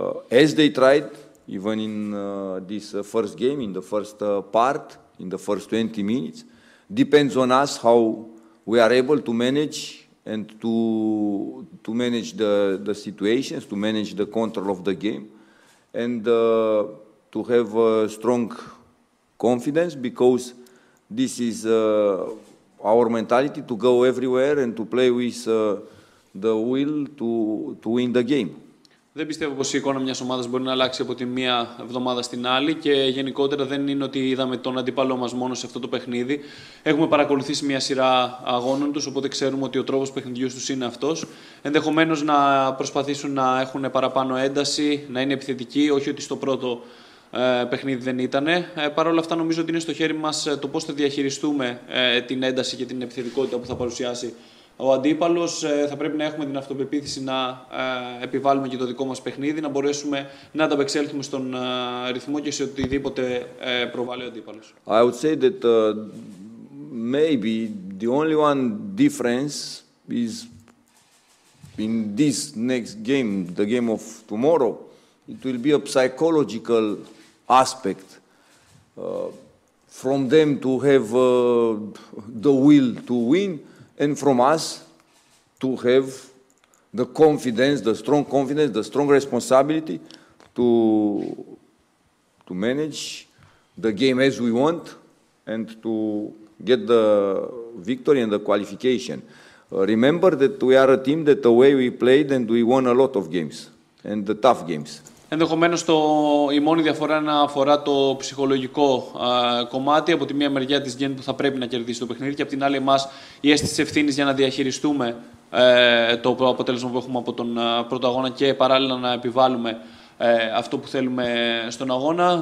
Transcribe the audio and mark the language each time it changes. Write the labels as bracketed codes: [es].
[en] As they tried, even in this first game, in the first part, in the first 20 minutes, depends on us how we are able to manage and to manage the situations, to manage the control of the game, and to have a strong confidence, because this is our mentality, to go everywhere and to play with the will to win the game. [el] Δεν πιστεύω πως η εικόνα μιας ομάδας μπορεί να αλλάξει από τη μία εβδομάδα στην άλλη και γενικότερα δεν είναι ότι είδαμε τον αντίπαλό μας μόνο σε αυτό το παιχνίδι. Έχουμε παρακολουθήσει μια σειρά αγώνων τους, οπότε ξέρουμε ότι ο τρόπος παιχνιδιού τους είναι αυτός. Ενδεχομένως να προσπαθήσουν να έχουν παραπάνω ένταση, να είναι επιθετικοί, όχι ότι στο πρώτο παιχνίδι δεν ήταν. Παρ' όλα αυτά, νομίζω ότι είναι στο χέρι μας το πώς θα διαχειριστούμε την ένταση και την επιθετικότητα που θα παρουσιάσει ο αντίπαλος. Θα πρέπει να έχουμε την αυτοπεποίθηση να επιβάλλουμε και το δικό μας παιχνίδι, να μπορέσουμε να ανταπεξέλθουμε στον ρυθμό και σε οτιδήποτε προβάλλει ο αντίπαλος. [en] I would say that maybe the only one difference is in this next game, the game of tomorrow, it will be a psychological aspect from them to have the will to win. And from us to have the confidence, the strong confidence, the strong responsibility to manage the game as we want and to get the victory and the qualification. Remember that we are a team that the way we played and we won a lot of games and the tough games. [el] Ενδεχομένως η μόνη διαφορά να αφορά το ψυχολογικό κομμάτι από τη μία μεριά της Γεν που θα πρέπει να κερδίσει το παιχνίδι και από την άλλη εμάς η αίσθηση ευθύνης για να διαχειριστούμε το αποτέλεσμα που έχουμε από τον πρώτο αγώνα και παράλληλα να επιβάλλουμε αυτό που θέλουμε στον αγώνα.